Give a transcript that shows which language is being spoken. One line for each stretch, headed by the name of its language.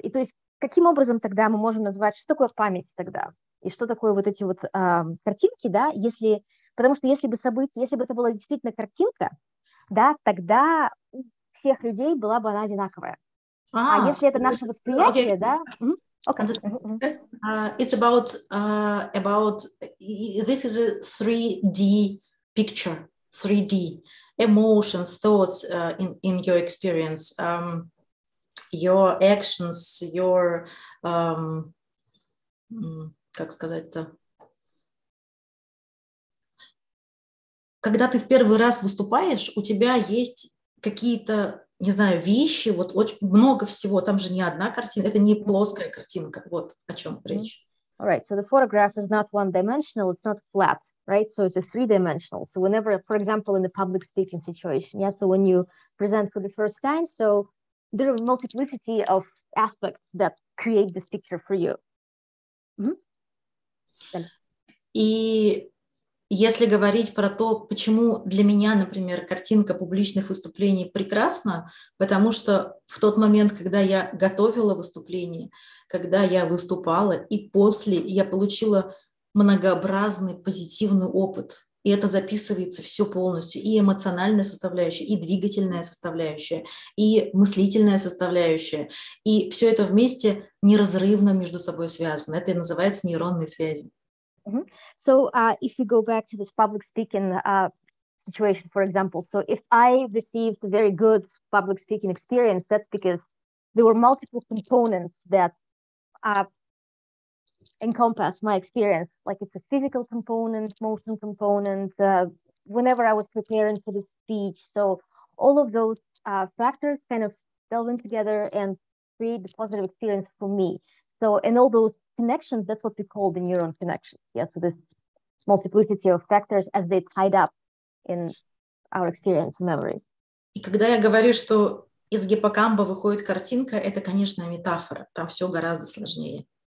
Russian: И то есть каким образом тогда мы можем назвать, что такое память тогда? И что такое вот эти вот картинки, да, если... Потому что если бы события, если бы это была действительно картинка, да, тогда у всех людей была бы она одинаковая. А если это наше восприятие, okay. Да?
English: Okay. It's about this is a 3D picture, 3D emotions, thoughts in your experience, your actions, your
Russian: как сказать-то? Когда ты в первый раз выступаешь, у тебя есть какие-то, не знаю, вещи, вот очень много всего, там же не одна картина, это не плоская картинка, вот о чем речь.
English: All right, so the photograph is not one-dimensional, it's not flat, right? So it's a three-dimensional. So whenever, for example, in the public speaking situation, yeah, so when you present for the first time, so there are multiplicity of aspects that create this picture for you. Mm-hmm.
Russian: И... Если говорить про то, почему для меня, например, картинка публичных выступлений прекрасна, потому что в тот момент, когда я готовила выступление, когда я выступала, и после я получила многообразный позитивный опыт, и это записывается все полностью, и эмоциональная составляющая, и двигательная составляющая, и мыслительная составляющая, и все это вместе неразрывно между собой связано. Это и называется нейронные связи. Mm-hmm.
English: So if we go back to this public speaking situation, for example, so if I received a very good public speaking experience, that's because there were multiple components that encompass my experience. Like it's a physical component, emotional component, whenever I was preparing for the speech. So all of those factors kind of delve in together and create the positive experience for me. So and all those connections, that's what we call the neuron connections. Yeah, so this multiplicity of factors as they tied up in our experience and memory.
Russian: И когда я говорю, что из гиппокампа выходит картинка, это, конечно, метафора. Там все гораздо сложнее.